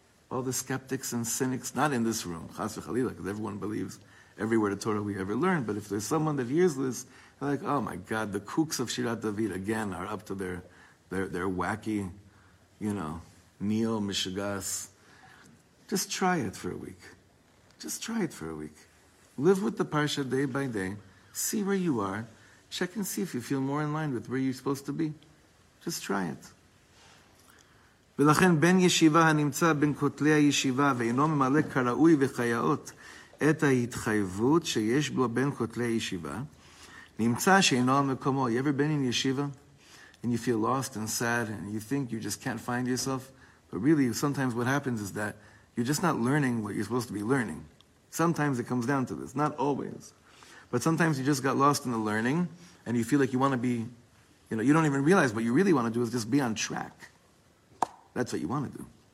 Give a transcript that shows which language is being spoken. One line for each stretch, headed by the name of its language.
English: All the skeptics and cynics, not in this room, chas v'chalila, because everyone believes every word of Torah we ever learn, but if there's someone that hears this, they're like, oh my God, the kooks of Shirat David, again, are up to their wacky, you know, neo-mishigas. Just try it for a week. Just try it for a week. Live with the parsha day by day. See where you are. Check and see if you feel more in line with where you're supposed to be. Just try it.
Hebrew: ולכן בן ישיבה הנמצא בין כותלי הישיבה ואינו ממלא כראוי וחייאות את ההתחייבות שיש בו בין כותלי הישיבה נמצא שאינו על מקומו.
English: You ever been in yeshiva? And you feel lost and sad and you think you just can't find yourself? But really, sometimes what happens is that you're just not learning what you're supposed to be learning. Sometimes it comes down to this. Not always. But sometimes you just got lost in the learning and you feel like you want to be, you know, you don't even realize what you really want to do is just be on track. That's what you want to do.